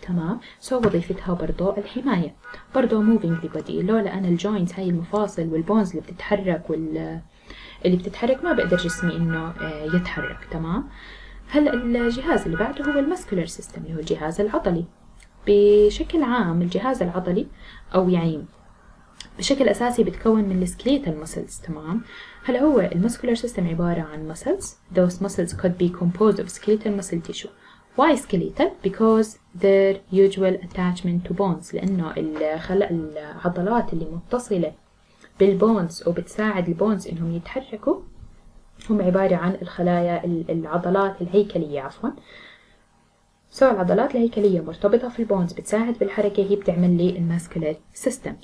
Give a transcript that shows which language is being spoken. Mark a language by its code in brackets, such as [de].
[ar] تمام، سو وظيفتها برضو الحماية. برضو [en] moving the body، [ar] لولا انا الجوينت هاي المفاصل والبونز اللي بتتحرك اللي بتتحرك ما بقدر جسمي انه يتحرك. تمام، هلا الجهاز اللي بعده هو المسكولر سيستم اللي هو الجهاز العضلي. بشكل عام الجهاز العضلي او يعني بشكل اساسي بتكون من السكليتال مسلز. تمام، هلا هو المسكولر سيستم عباره عن مسلز. [en] those muscles could be composed of skeletal muscle tissue. why skeletal? because their usual attachment to bones. [ar] لانه الخلق العضلات اللي متصله بالبونز وبتساعد البونز انهم يتحركوا هم عبارة عن الخلايا العضلات الهيكلية، عفوا سو العضلات الهيكلية مرتبطة في البونز بتساعد بالحركة، هي بتعمل لي الماسكولر سيستم.